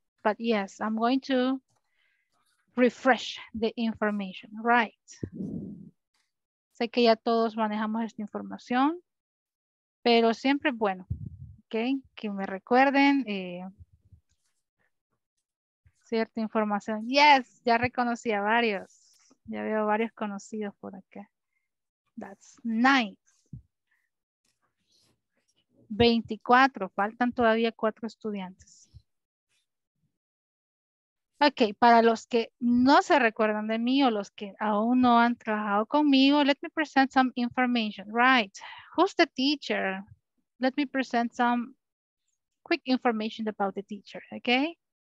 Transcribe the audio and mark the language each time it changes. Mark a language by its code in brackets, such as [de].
[en] But yes, I'm going to refresh the information, right? [es] Sé que ya todos manejamos esta información, pero siempre es bueno, okay, que me recuerden cierta información. Yes, ya reconocí a varios. Ya veo varios conocidos por acá. [en] That's nice. [es] 24, faltan todavía 4 estudiantes. Ok, para los que no se recuerdan de mí o los que aún no han trabajado conmigo, [en] let me present some information, right? Who's the teacher? Let me present some quick information about the teacher, ok?